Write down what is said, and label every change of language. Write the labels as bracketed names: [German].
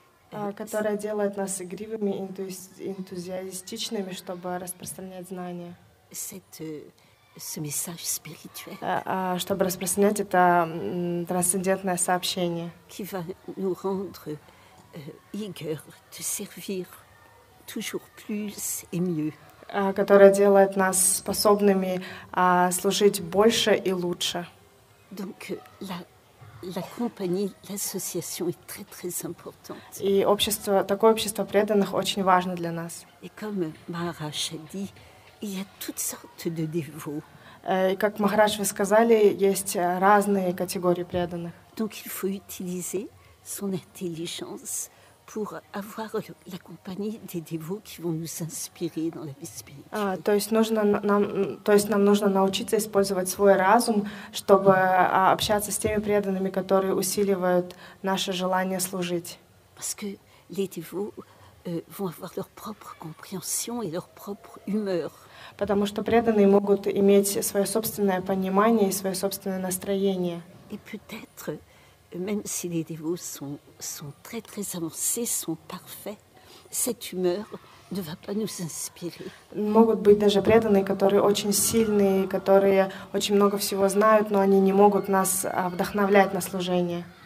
[Russian] Которая делает нас игривыми, энтузиастичными, чтобы распространять знания. [French] Ce message spirituel. [Russian] Чтобы распространять это трансцендентное сообщение. [French] Qui va nous rendre eager de servir toujours plus et mieux. [Russian] Которая делает нас способными служить больше и лучше. [French] Donc, la compagnie, l'association est très très importante. [Russian] И общество, такое общество преданных очень важно для нас. [French] Et comme Maharaj a dit, il y a toutes sortes de dévots. [Russian] И как Махарадж вы сказали, есть разные категории преданных. [French] Donc il faut utiliser son intelligence pour avoir la compagnie des dévots qui vont nous inspirer dans la vie spirituelle. [Russian] То есть нам нужно научиться использовать свой разум, чтобы общаться с теми преданными, которые усиливают наше желание служить. [French] Parce que les dévots vont avoir leur propre compréhension et leur propre humeur. [Russian] Потому что преданные могут иметь свое собственное понимание и свое собственное настроение. [French] Et peut-être même si les dévots sont très très avancés, sont parfaits, cette humeur ne va pas nous inspirer. [Russian] Могут быть даже преданные, которые очень сильные, которые очень много всего знают, но они не могут нас вдохновлять на служение.